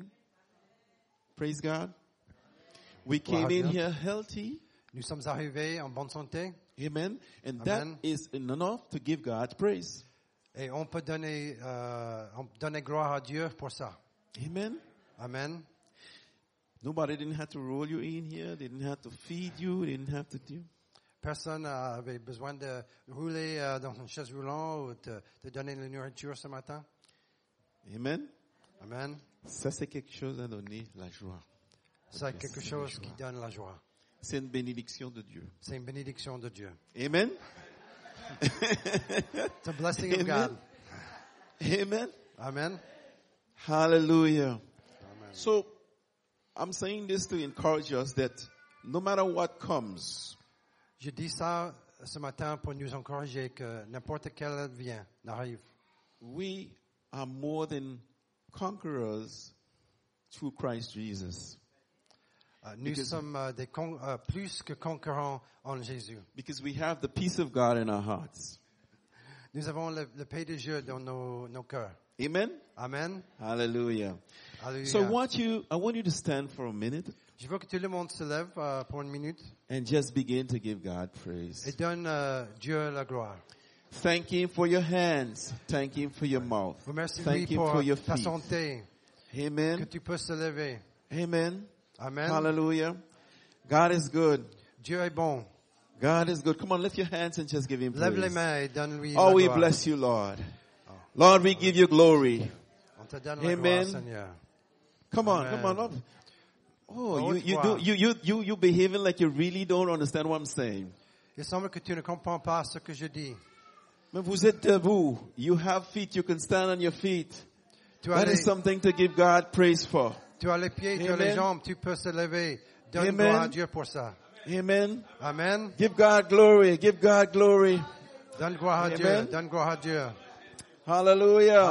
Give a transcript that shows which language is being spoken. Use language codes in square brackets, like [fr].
[en] Amen. Praise God. We came in here healthy. [fr] Nous sommes arrivés en bonne santé. [en] Amen. And Amen. That is enough to give God praise. Et on peut donner gloire à Dieu pour ça. Amen. Amen. Nobody didn't have to roll you in here. They didn't have to feed you. They didn't have to do. [fr] Personne avait besoin de rouler dans une chaise roulante ou de donner la nourriture ce matin. [en] Amen. Amen. [fr] Ça, c'est quelque chose à donner la joie. Ça, c'est quelque chose qui donne la joie. C'est une bénédiction de Dieu. C'est une bénédiction de Dieu. [en] Amen. It's a blessing Amen. Of God. Amen. Amen. Hallelujah. Amen. So, I'm saying this to encourage us that no matter what comes, [fr] je dis ça ce matin pour nous encourager que n'importe quel vient, n'arrive. [en] We are more than conquerors through Christ Jesus. [fr] Nous sommes plus que conquérants en Jésus. [en] Because we have the peace of God in our hearts. [fr] Nous avons la paix de Dieu dans nos cœurs. [en] Amen. Amen. Hallelujah. Hallelujah. So I want you to stand for a minute. [fr] Je veux que tout le monde se lève pour une minute. [en] And just begin to give God praise. [fr] Et donne Dieu la gloire. [en] Thank Him for your hands. Thank Him for your mouth. Thank Him for your feet. [fr] Ta santé. [en] Amen. [fr] Que tu puisses te lever. [en] Amen. Amen. Hallelujah. God is good. [fr] Dieu est bon. [en] God is good. Come on, lift your hands and just give him praise. [fr] Lève les mains et donne-lui la gloire. [en] Oh, we bless you, Lord. Lord, we give you glory. [fr] On te donne la gloire, Seigneur. [en] Come on, come on, Lord. Oh, you behaving like you really don't understand what I'm saying. [fr] Il semble que tu ne comprends pas ce que je dis. Mais vous êtes debout. [en] You have feet. You can stand on your feet. That is something to give God praise for. [fr] Tu as les pieds, tu as les jambes. Tu peux se lever. Donne gloire à Dieu pour ça. [en] Amen. Amen. Give God glory. Give God glory. [fr] Donne gloire à Dieu. Donne gloire à Dieu. [en] Hallelujah.